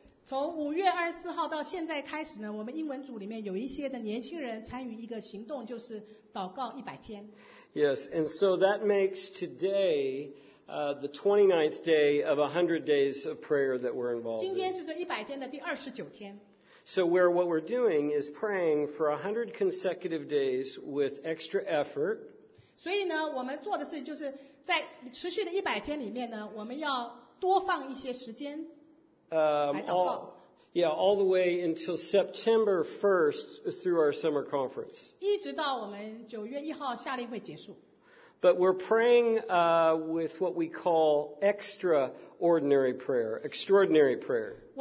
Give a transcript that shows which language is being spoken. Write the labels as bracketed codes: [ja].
[zh] 从 5月 24号到现在开始呢, 我们英文组里面有一些的年轻人参与一个行动, 就是祷告 100天。 [en] Yes, and so that makes today the 29th day of 100 days of prayer that we're involved in. [zh] 今天是这100天的第29天。 [en] So where what we're doing is praying for 100 consecutive days with extra effort. [zh] 所以呢,我们做的事就是在持续的100天里面呢,我们要多放一些时间。 [en] All the way until September 1st through our summer conference. [zh] 一直到我们9月1号夏令会结束。 [en] But we're praying with what we call extraordinary prayer, extraordinary prayer.